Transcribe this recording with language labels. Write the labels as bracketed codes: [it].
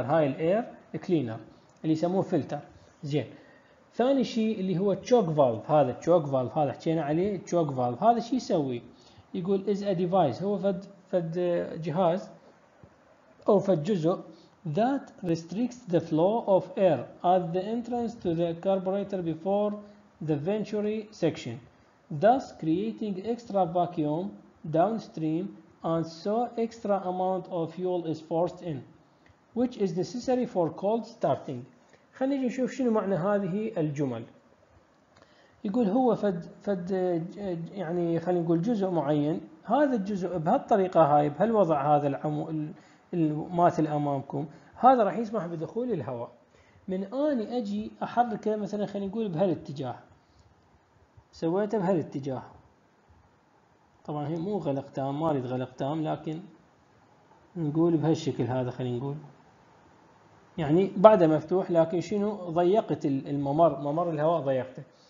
[ar] هاي الاير كلينر اللي يسموه فلتر. زين، ثاني شيء اللي هو تشوك فالف. هذا تشوك فالف، هذا حكينا عليه، تشوك فالف هذا شيء يسوي؟ يقول [en] is a device، [ar] هو فد جهاز [en] of a جزء that restricts the flow of air at the entrance to the carburetor before the venturi section, thus creating extra vacuum downstream and so extra amount of fuel is forced in, which is necessary for cold starting. [ar] خلينا نجي نشوف شنو معنى هذه الجمل. يقول هو فد يعني خلينا نقول جزء معين، هذا الجزء بهالطريقة هاي بهالوضع هذا العمو الماثل أمامكم، هذا راح يسمح بدخول الهواء. من آني أجي أحركه مثلا خلينا نقول بهالاتجاه، سويته بهالاتجاه، طبعا هي مو غلق تام، ما أريد غلق تام، لكن نقول بهالشكل هذا، خلينا نقول يعني بعده مفتوح لكن شنو ضيقت الممر، ممر الهواء ضيقته.